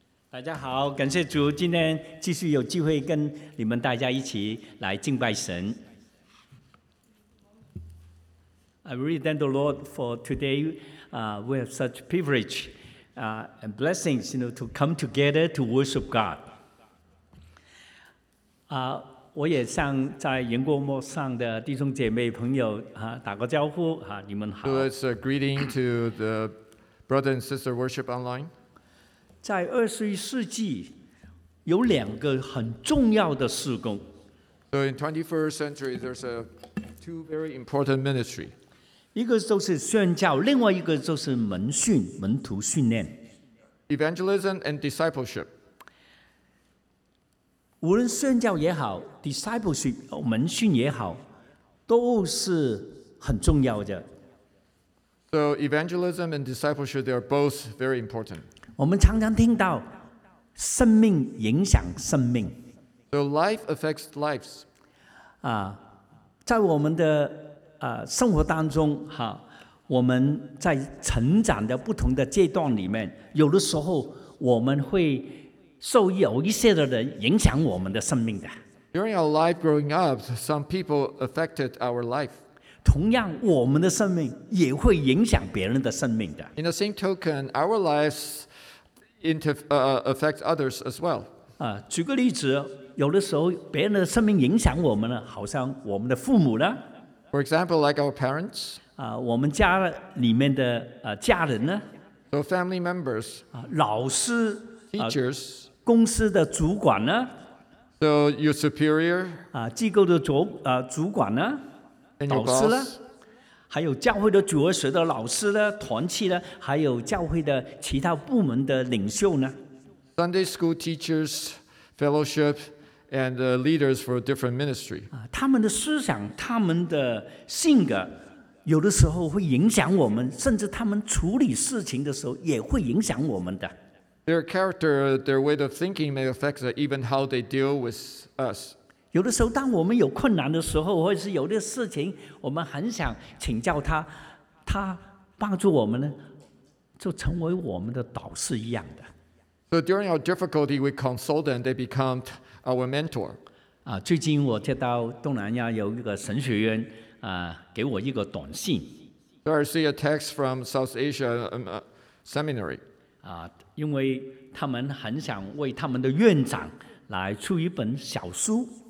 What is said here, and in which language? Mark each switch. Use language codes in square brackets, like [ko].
[zh] 大家好，感谢主，今天继续有机会跟你们大家一起来敬拜神。 [en] I really thank the Lord for today. We have such privilege and blessings, you know, to come together to worship God. [zh] 我也向在荧光幕上的弟兄姐妹朋友打个招呼你们好。 [en] It's a greeting to the brother and sister worship online. [zh] 在二十一世纪，有两个很重要的事工。 [en] So in 21st century, there's two very important ministry. [zh] 一个就是宣教，另外一个就是门训、门徒训练。 [en] Evangelism and discipleship。 [zh] 无论宣教也好 ，discipleship 门训也好，都是很重要的。 [en] So evangelism and discipleship, they are both very important. [zh] 我们常常听到，生命影响生命。 [en] So life affects lives. [zh] 在我们的生活当中我们在成长的不同的阶段里面，有的时候我们会受有一些的人影响我们的生命的。 [en] During our life growing up, some people affected our life. [zh] 同样，我们的生命也会影响别人的生命的。 [en] In the same token, our lives affect others as well. [zh] 举个例子，有的时候别人的生命影响我们了，好像我们的父母呢。 [en] For example, like our parents. [zh] 我们家里面的家人呢 [en] ？So family members. [zh] 老师 [en] ，teachers. [zh] 公司的主管呢 [en] ？So your superior. [zh] 机构的主管呢？ [en] And your boss. [zh] 还有教会的主日学的老师呢？团契呢？还有教会的其他部门的领袖呢 [en] ？Sunday school teachers, fellowship. And the leaders for a different ministry. [zh] 他们的思想，他们的性格，有的时候会影响我们，甚至他们处理事情的时候也会影响我们的。 [en] Their character, their way of thinking may affect even how they deal with us. [zh] 有的时候，当我们有困难的时候，或者是有的事情，我们很想请教他，他帮助我们呢，就成为我们的导师一样的。 [en] So during our difficulty, we consult them, they become. Our mentor. [zh] 最近我接到东南亚有一个神学院给我一个短信。 [en] So I see a text from South Asia Seminary. [zh] 因为他们很想为他们的院长来出一本小书。